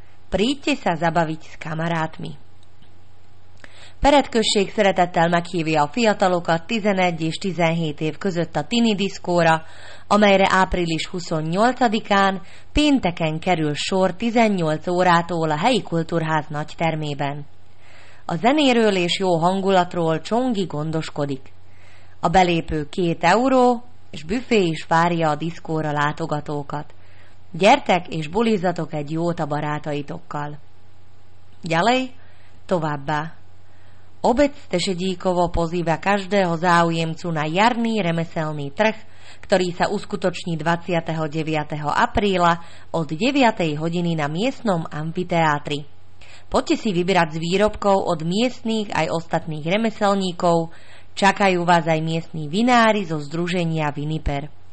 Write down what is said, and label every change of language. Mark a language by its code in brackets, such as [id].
[sk] Príďte sa zabaviť s kamarátmi. [hu] Peretkösség szeretettel meghívja a fiatalokat 11 és 17 év között a Tini Diszkóra, amelyre április 28-án pénteken kerül sor 18 órától a helyi kultúrház nagy termében. A zenéről és jó hangulatról Csongi gondoskodik. A belépő 2 euró, és büfé is várja a diszkóra látogatókat. Gyertek és bulizzatok egy jót a barátaitokkal. Gyalej, továbbá. [sk] Obec Tešedíkovo pozýva každého záujemcu na jarný remeselný trh, ktorý sa uskutoční 29. apríla od 9. hodiny na miestnom amfiteátri. Poďte si vybrať z výrobkov od miestnych aj ostatných remeselníkov, čakajú vás aj miestní vinári zo združenia Viniper.